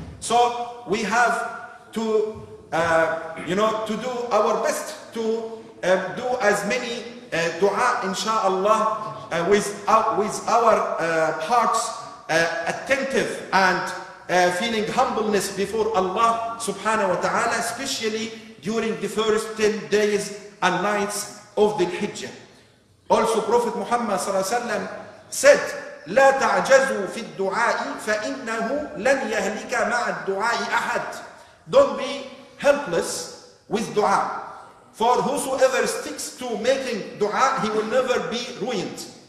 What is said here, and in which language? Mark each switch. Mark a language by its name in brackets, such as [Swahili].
[English] So we have to, to do our best to do as many dua, inshallah, with our hearts attentive and feeling humbleness before Allah subhanahu wa ta'ala, especially during the first 10 days and nights of the Hijjah. [Arabic] Also, Prophet Muhammad sallallahu alaihi wasallam said, لا تعجزوا في الدعاء فإنه لن يهلك مع الدعاء أحد. [English] Don't be helpless with dua. For whosoever sticks to making dua, he will never be ruined.